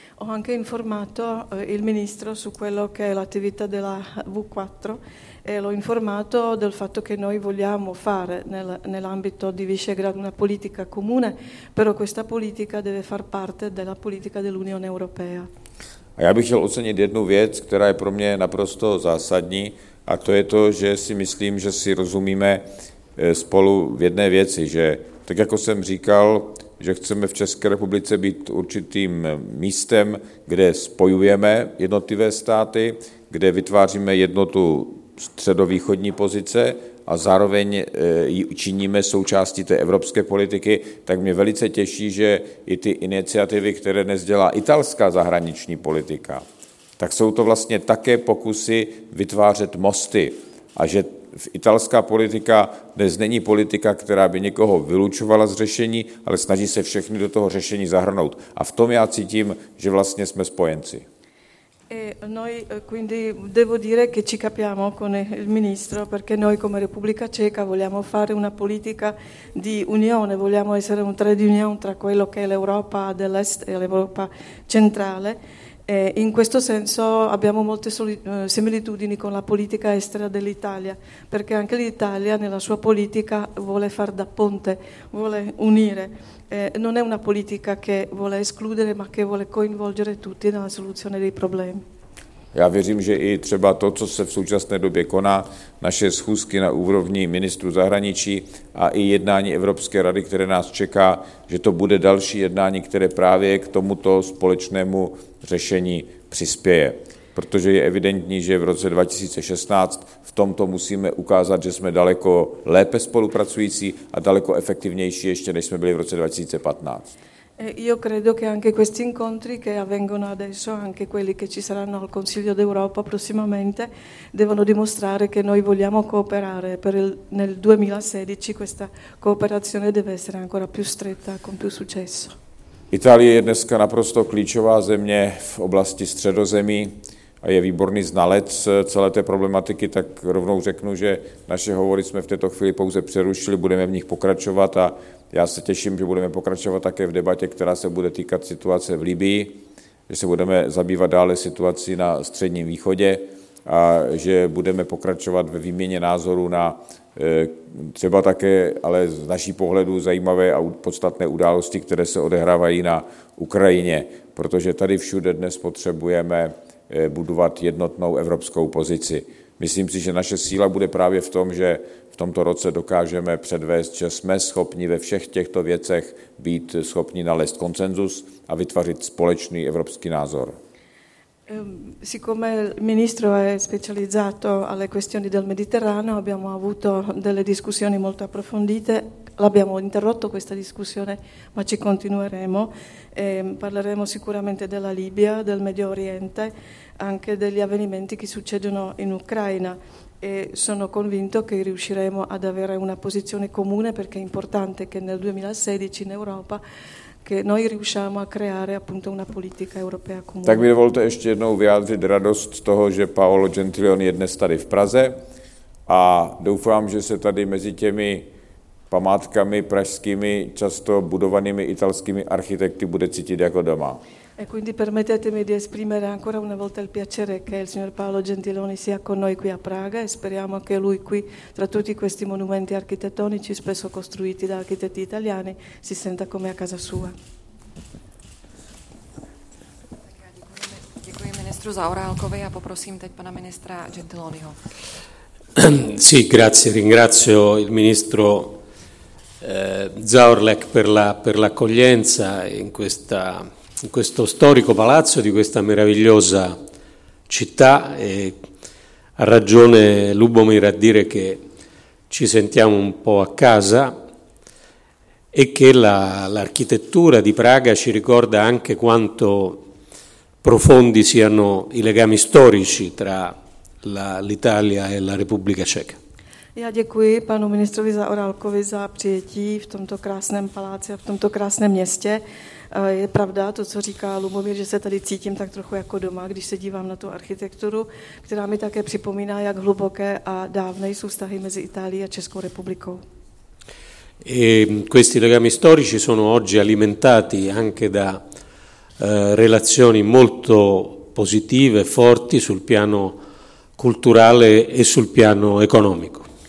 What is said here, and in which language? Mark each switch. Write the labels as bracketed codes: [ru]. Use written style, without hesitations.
[it] Ho anche informato il ministro su quello che è l'attività della V4 e l'ho informato del fatto che noi vogliamo fare nell'ambito di Visegrad una politica comune, però questa politica deve far parte della politica dell'Unione Europea. [cs] A já bych chtěl ocenit jednu věc, která je pro mě naprosto zásadní, a to je to, že si myslím, že si rozumíme spolu v jedné věci, že tak jako jsem říkal, že chceme v České republice být určitým místem, kde spojujeme jednotlivé státy, kde vytváříme jednotu středovýchodní pozice a zároveň činíme součástí té evropské politiky, tak mě velice těší, že i ty iniciativy, které dnes dělá italská zahraniční politika, tak jsou to vlastně také pokusy vytvářet mosty a že italská politika dnes není politika, která by někoho vylučovala z řešení, ale snaží se všechny do toho řešení zahrnout. A v tom já cítím, že vlastně jsme spojenci. [it] E noi quindi devo dire che ci capiamo con il ministro perché noi come Repubblica Ceca vogliamo fare una politica di unione, vogliamo essere un trade union tra quello che è l'Europa dell'Est e l'Europa centrale. E in questo senso abbiamo molte similitudini con la politica estera dell'Italia, perché anche l'Italia nella sua politica vuole far da ponte, vuole unire. Non è una politica che vuole escludere, ma che vuole coinvolgere tutti nella soluzione dei problemi. [cs] Já věřím, že i třeba to, co se v současné době koná, naše schůzky na úrovni ministrů zahraničí a i jednání Evropské rady, které nás čeká, že to bude další jednání, které právě k tomuto společnému řešení přispěje. Protože je evidentní, že v roce 2016 v tomto musíme ukázat, že jsme daleko lépe spolupracující a daleko efektivnější ještě, než jsme byli v roce 2015. [it] Io credo che anche questi incontri che avvengono adesso, anche quelli che ci saranno al Consiglio d'Europa prossimamente, devono dimostrare che noi vogliamo cooperare. Nel 2016 questa cooperazione deve essere ancora più stretta, con più successo. [cs] Itálie je dneska naprosto klíčová země v oblasti Středozemí a je výborný znalec celé té problematiky, tak rovnou řeknu, že naše hovory jsme v této chvíli pouze přerušili, budeme v nich pokračovat a já se těším, že budeme pokračovat také v debatě, která se bude týkat situace v Libii, že se budeme zabývat dále situací na Středním východě a že budeme pokračovat ve výměně názorů na třeba také, ale z naší pohledu zajímavé a podstatné události, které se odehrávají na Ukrajině, protože tady všude dnes potřebujeme budovat jednotnou evropskou pozici. Myslím si, že naše síla bude právě v tom, že v tomto roce dokážeme předvést, že jsme schopni ve všech těchto věcech být schopni nalézt konsenzus a vytvořit společný evropský názor. [it] Siccome il ministro è specializzato alle questioni del Mediterraneo, abbiamo avuto delle discussioni molto approfondite. L'abbiamo interrotto questa discussione, ma ci continueremo. Parleremo sicuramente della Libia, del Medio Oriente, anche degli avvenimenti che succedono in Ucraina. E sono convinto che riusciremo ad avere una posizione comune perché è importante che nel 2016 in Europa che noi riusciamo a creare appunto una politica europea comune. [cs] Tak mi dovolte ještě jednou vyjádřit radost toho, že Paolo Gentiloni je dnes tady v Praze a doufám, že se tady mezi těmi památkami pražskými často budovanými italskými architekty bude cítit jako doma. [it] E quindi permettetemi di esprimere ancora una volta il piacere che il signor Paolo Gentiloni sia con noi qui a Praga e speriamo che lui qui, tra tutti questi monumenti architettonici spesso costruiti da architetti italiani, si senta come a casa sua. [cs] Děkuji ministru Zaorálkovi a poprosím teď pana ministra Gentiloniho. [it] Sì, grazie, ringrazio il ministro Zaorlek per l'accoglienza in questa in questo storico palazzo di questa meravigliosa città. E ha ragione Lubomir a dire che ci sentiamo un po' a casa e che l'architettura di Praga ci ricorda anche quanto profondi siano i legami storici tra l'Italia e la Repubblica Ceca. [cs] Já děkuji panu ministrovi Zaorálkovi za přijetí v tomto krásném paláci a v tomto krásném městě. Je pravda to, co říká Lubomír, že se tady cítím tak trochu jako doma, když se dívám na tu architekturu, která mi také připomíná, jak hluboké a dávné jsou vztahy mezi Itálií a Českou republikou. [it] E questi legami storici sono oggi alimentati anche da relazioni molto positive, forti sul piano culturale e sul piano economico.